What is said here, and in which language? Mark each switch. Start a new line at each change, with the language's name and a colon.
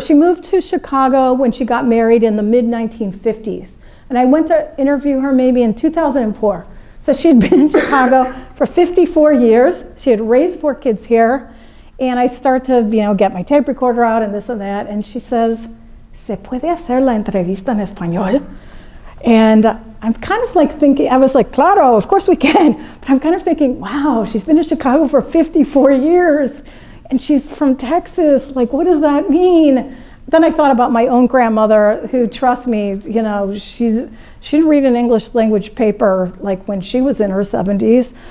English: She moved to Chicago when she got married in the mid-1950s. And I went to interview her maybe in 2004. So she'd been in Chicago for 54 years. She had raised four kids here. And I start to, you know, get my tape recorder out and this and that. And she says,
Spanish: ¿Se puede hacer la entrevista en español?
English: And I'm kind of like thinking, I was like,
Spanish: claro,
English: of course we can. But I'm kind of thinking, wow, she's been in Chicago for 54 years. And she's from Texas. Like, what does that mean? Then I thought about my own grandmother, who, trust me, you know, she didn't read an English language paper like when she was in her 70s.